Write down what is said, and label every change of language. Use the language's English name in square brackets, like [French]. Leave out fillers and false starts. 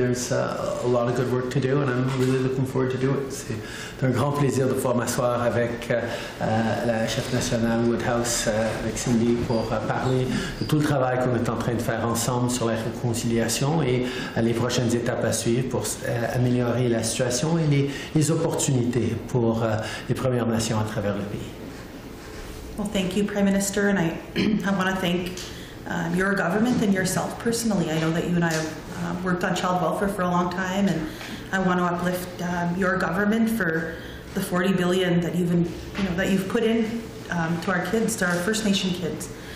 [English] There's a lot of good work to do, and I'm really looking forward to do it. [French] C'est un grand plaisir de pouvoir m'asseoir avec la chef nationale Woodhouse, avec Cindy, pour parler de tout le travail qu'on est en train de faire ensemble sur la réconciliation et les prochaines étapes à suivre pour améliorer la situation et les opportunités pour les Premières Nations à travers le pays. [English] Well, thank you, Prime Minister, and I want to thank your government and yourself personally. I know that you and I have worked on child welfare for a long time, and I want to uplift your government for the $40 billion that you've put in to our kids, to our First Nation kids.